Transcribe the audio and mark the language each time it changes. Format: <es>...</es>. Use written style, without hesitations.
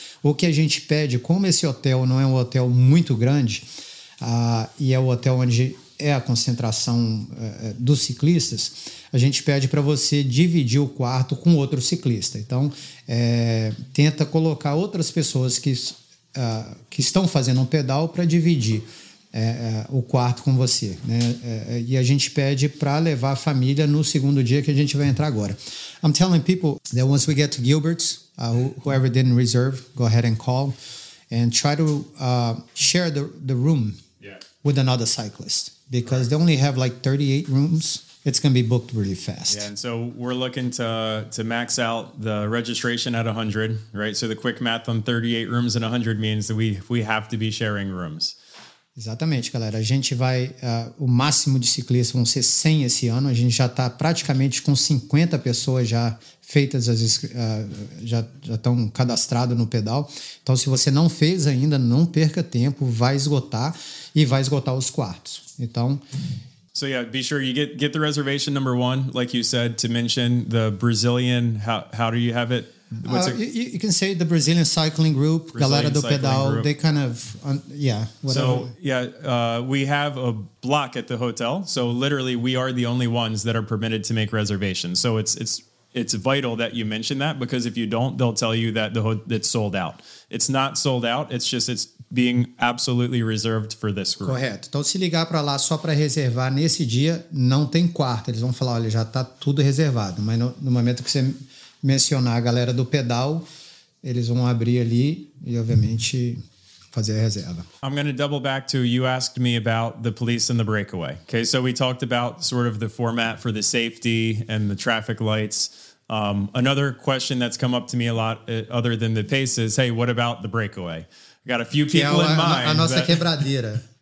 <pt>O que a gente pede, como esse hotel não é um hotel muito grande, e é o hotel onde é a concentração dos ciclistas, a gente pede para você dividir o quarto com outro ciclista. Então, tenta colocar outras pessoas que estão fazendo um pedal para dividir o quarto com você, né? E a gente pede para levar a família no segundo dia que a gente vai entrar agora.</pt> <en>I'm telling people that once we get to Gilbert's, whoever didn't reserve, go ahead and call and try to share the room with another cyclist. Because they only have like 38 rooms, it's going to be booked really fast. Yeah, and so we're looking to max out the registration at 100, right? So the quick math on 38 rooms and 100 means that we have to be sharing rooms.</en> <pt>Exatamente, galera. A gente vai, o máximo de ciclistas vão ser 100 esse ano. A gente já está praticamente com 50 pessoas já feitas, já estão cadastradas no pedal. Então, se você não fez ainda, não perca tempo, vai esgotar e vai esgotar os quartos. Então,</pt> <en>so yeah, be sure you get the reservation number one, like you said, to mention the Brazilian, how do you have it? You can say the Brazilian Cycling Group, Galera do Pedal, they kind of, we have a block at the hotel, so literally we are the only ones that are permitted to make reservations. So it's vital that you mention that, because if you don't, they'll tell you that it's sold out. It's not sold out, it's just it's being absolutely reserved for this group.</en> <pt>Correto. Então, se ligar para lá só para reservar nesse dia, não tem quarto. Eles vão falar, olha, já está tudo reservado. Mas no momento que você mencionar a galera do pedal, eles vão abrir ali e, obviamente, fazer a reserva.</pt> <en>I'm going to double back to you asked me about the police and the breakaway. Okay, so we talked about sort of the format for the safety and the traffic lights. Another question that's come up to me a lot, other than the pace, is, hey, what about the breakaway? Got a few people in mind.</en> <pt>A nossa quebradeira.</pt>